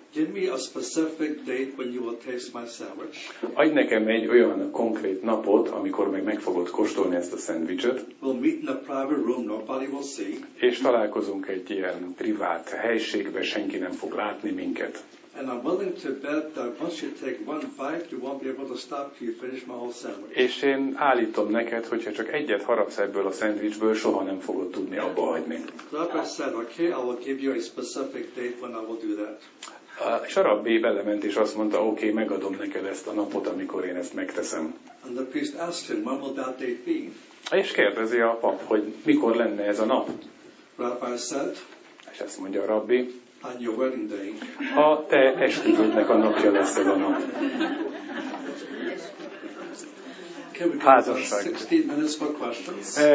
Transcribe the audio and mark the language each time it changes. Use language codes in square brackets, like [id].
[en] Give me a specific date when you will taste my sandwich. [hu] Adj nekem egy olyan konkrét napot, amikor még meg fogod kóstolni ezt a szendvicset. [en] We'll meet in a private room, nobody will see. [hu] És találkozunk egy ilyen privát helyiségben, senki nem fog látni minket. [en] And I'm willing to bet that once you take one bite, you won't be able to stop till you finish my whole sandwich. [hu] És én állítom neked, hogyha csak egyet harapsz ebből a szendvicsből, soha nem fogod tudni abba hagyni. [en] Okay, I will give you a specific date when I will do that. [hu] És a rabbi belement, és azt mondta, oké, okay, megadom neked ezt a napot, amikor én ezt megteszem. [en] And the priest asked him, when will that date be? [hu] És kérdezi a pap, hogy mikor lenne ez a nap. [en] Rabbi said, [hu] és ezt mondja a rabbi, [en] on your wedding day. [hu] A te esküvődnek a napja lesz ez a nap. [en] Házasság. 16 minutes for questions.